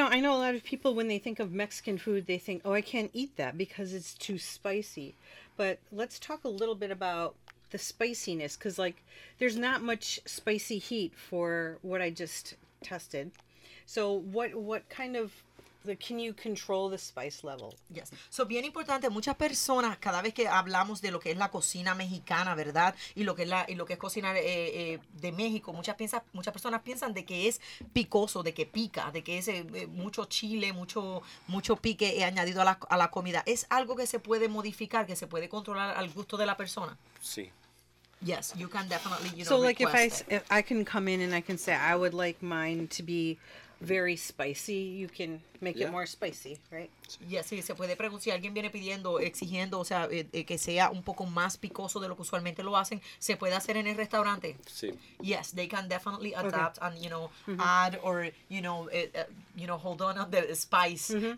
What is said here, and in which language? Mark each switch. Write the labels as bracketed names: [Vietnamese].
[English] I know a lot of people, when they think of Mexican food, they think, oh, I can't eat that because it's too spicy. But let's talk a little bit about the spiciness, because like there's not much spicy heat for what I just tested. So what kind of can you control the spice level? Yes. [Spanish] So, bien importante, muchas personas, cada vez que hablamos de lo que es la cocina mexicana, ¿verdad? Y lo que es cocinar de México, muchas personas piensan de que es picoso, de que pica, de que es mucho chile, mucho pique añadido a la comida. ¿Es algo que se puede modificar, que se puede controlar al gusto de la persona? Sí. [English] Yes, you can definitely, If I can come in and I can say, I would like mine to be very spicy, you can make it more spicy, right? [Spanish] Yes, sí, se puede preguntar. Si alguien viene pidiendo, exigiendo, o sea, que sea un poco más picoso de lo que usualmente lo hacen, ¿se puede hacer en el restaurante? Sí. [English] Yes, they can definitely adapt and, mm-hmm. add or, hold on the spice, mm-hmm.